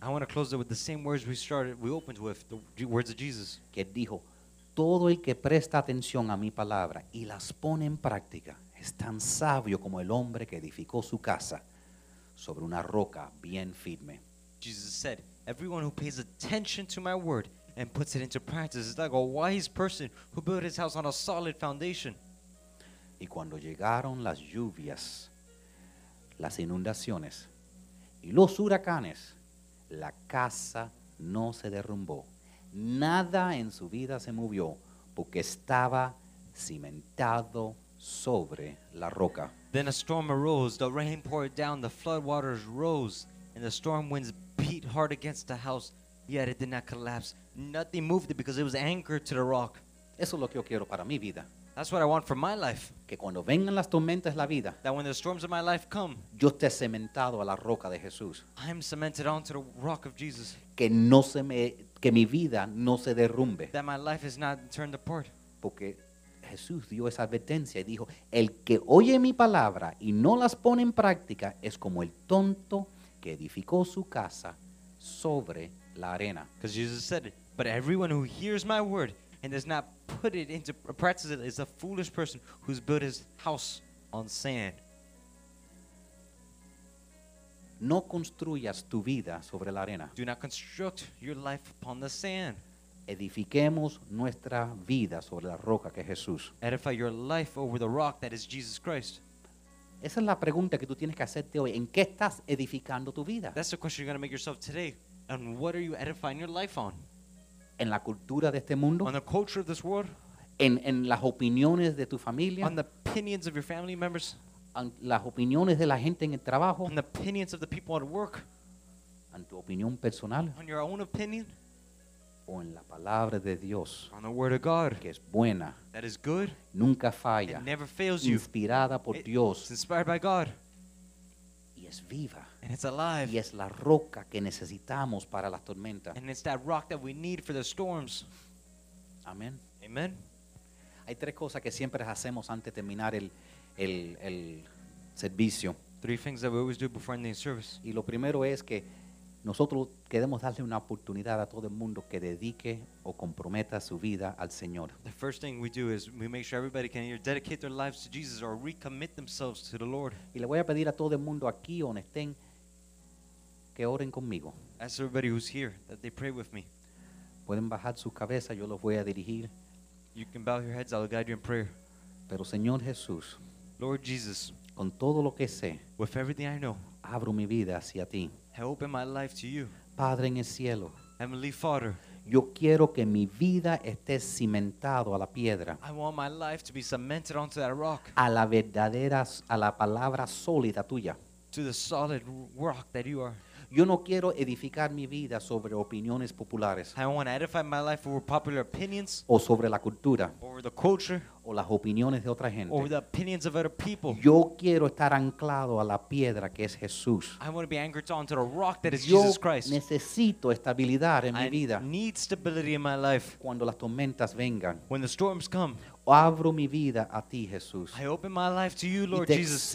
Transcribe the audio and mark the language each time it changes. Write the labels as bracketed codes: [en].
[en] I want to close it with the same words we opened with, the words of Jesus. [es] Que dijo, todo el que presta atención a mi palabra y las pone en práctica es tan sabio como el hombre que edificó su casa sobre una roca bien firme. [en] Jesus said, everyone who pays attention to my word and puts it into practice, it's like a wise person who built his house on a solid foundation. [es] Y cuando llegaron las lluvias, las inundaciones y los huracanes, la casa no se derrumbó. Nada en su vida se movió porque estaba cimentado sobre la roca. [en] Then a storm arose, the rain poured down, the flood waters rose, and the storm winds beat hard against the house. Yet it did not collapse. Nothing moved it because it was anchored to the rock. [es] Eso es lo que yo quiero para mi vida. [en] That's what I want for my life. [es] Que cuando vengan las tormentas la vida, [en] that when the storms of my life come, [es] yo esté cemento a la roca de Jesús. [en] I am cemented onto the rock of Jesus. [es] Que mi vida no se derrumbe. [en] That my life is not turned apart. [es] Porque Jesús dio esa advertencia y dijo, el que oye mi palabra y no las pone en práctica es como el tonto que edificó su casa sobre la arena. [en] Because Jesus said it, but everyone who hears my word and does not put it into practice it is a foolish person who's built his house on sand. [es] No construyas tu vida sobre la arena. [en] Do not construct your life upon the sand. [es] Edifiquemos nuestra vida sobre la roca que es Jesús. [en] Edify your life over the rock that is Jesus Christ. [es] Esa es la pregunta que tú tienes que hacerte hoy. ¿En qué estás edificando tu vida? [en] That's the question you're going to make yourself today. And what are you edifying your life on? [es] En la cultura de este mundo. [en] On the culture of this world. [es] en las opiniones de tu familia, [en] on the opinions of your family members, [es] en las opiniones de la gente en el trabajo, [en] on the opinions of the people at work, [es] en tu opinión personal, [en] on your own opinion, [es] o en la palabra de Dios, [en] on the word of God, [es] que es buena, [en] that is good, [es] nunca falla, [en] it never fails you, [es] inspirada por Dios, [en] it's inspired by God, [es] y es viva, [en] and it's alive, [es] y es la roca que necesitamos para las tormentas, [en] and it's that rock that we need for the storms. [es] Amen. [en] Amen. [es] Hay tres cosas que siempre hacemos antes de terminar el servicio. [en] Three things that we always do before ending service. [es] Y lo primero es que nosotros queremos darle una oportunidad a todo el mundo que dedique o comprometa su vida al Señor. [en] The first thing we do is we make sure everybody can either dedicate their lives to Jesus or recommit themselves to the Lord. [es] Y le voy a pedir a todo el mundo aquí donde estén que oren conmigo. [en] Ask everybody who's here that they pray with me. [es] Pueden bajar su cabeza, yo los voy a dirigir. [en] You can bow your heads, I'll guide you in prayer. [es] Pero Señor Jesús, [en] Lord Jesus, [es] con todo lo que sé, [en] with everything I know, [es] abro mi vida hacia ti. [en] I open my life to you. [es] Padre en el cielo, [en] Heavenly Father, [es] yo quiero que mi vida esté cimentado a la piedra. [en] I want my life to be cemented onto that rock. [es] A la verdadera, a la palabra sólida tuya. [en] To the solid rock that you are. [es] Yo no quiero edificar mi vida sobre opiniones populares. [en] I don't want to edify my life over popular opinions. [es] O sobre la cultura. [en] Over the culture. [es] O las opiniones de otra gente. [en] Over the opinions of other people. [es] Yo quiero estar anclado a la piedra que es Jesús. [en] I want to be anchored onto the rock that is [es] Yo [en] Jesus Christ. [es] Yo necesito estabilidad en [en] I [es] mi vida. [en] I need stability in my life. [es] Cuando las tormentas vengan. [en] When the storms come. [es] Abro mi vida a ti, Jesús. [en] I open my life to you, Lord Jesus.